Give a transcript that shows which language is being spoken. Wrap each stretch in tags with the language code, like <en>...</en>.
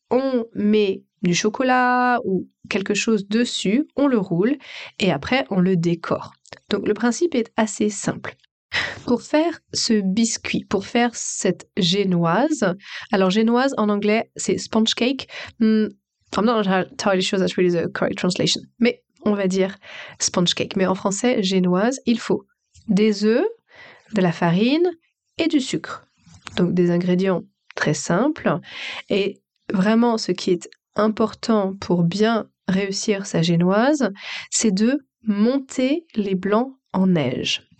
<fr>On met du chocolat ou quelque chose dessus, on le roule et après, on le décore. Donc, le principe est assez simple. Pour faire ce biscuit, pour faire cette génoise, alors génoise en anglais, c'est sponge cake.</fr> <en>I'm not entirely sure that's really the correct translation.</en> <fr>Mais on va dire sponge cake. Mais en français, génoise, il faut des œufs, de la farine et du sucre. Donc des ingrédients très simples. Et vraiment, ce qui est important pour bien réussir sa génoise, c'est de monter les blancs en neige.</fr>